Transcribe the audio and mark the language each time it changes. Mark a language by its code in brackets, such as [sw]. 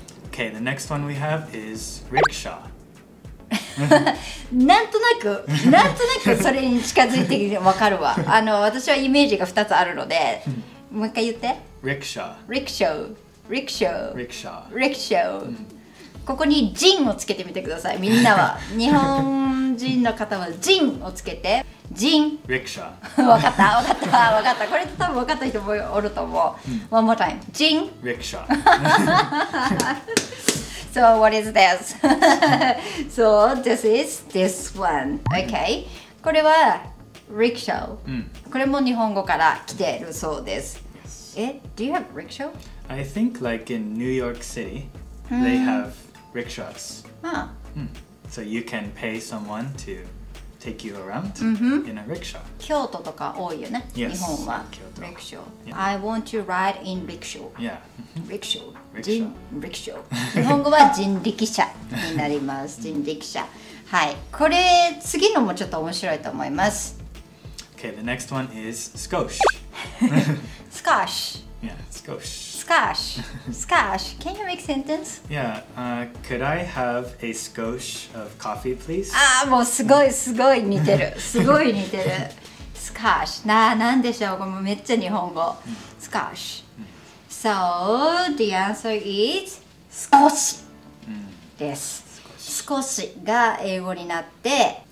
[en] Okay, the next one we have is rickshaw. [ja] なんとなくそれに近づいてわかるわ。あの、私はイメージが2つあるので、もう一回言って。 [en] Rickshaw. [ja] ここにジンをつけてみてください、みんなは。日本人の方はジンをつけて。ジン。 [en] Rickshaw。 [ja] わかった。これ多分わかった人もおると思う。 [en] One more time。 [ja] ジン。 [en] Rickshaw。 So what is this? So this is this one. Okay. [ja] これは rickshaw. これも日本語から来てるそうです。 [en] Do you have rickshaw? I think like in New York City, they have rickshaws. So you can pay someone to take you around in a rickshaw. [ja] 京都とか多いよね。 [en] Yes, [ja] 日本は [en] rickshaw. Yeah. I want to ride in rickshaw. Yeah. Rickshaw. Rickshaw. [ja] 日本語は人力車になります。人力車。はい。これ、次のもちょっと面白いと思います。 [en] Okay, the next one is skosh. Skosh. Yeah, skosh. Skosh. Skosh. Can you make sentence? Yeah,could I have a skosh of coffee, please? [ja] ああ、もうすごい似てる。すごい似てる。Skosh. なんでしょう、めっちゃ日本語。 [en] Skosh. So, the answer is 少しです。 [ja] 少しが英語になって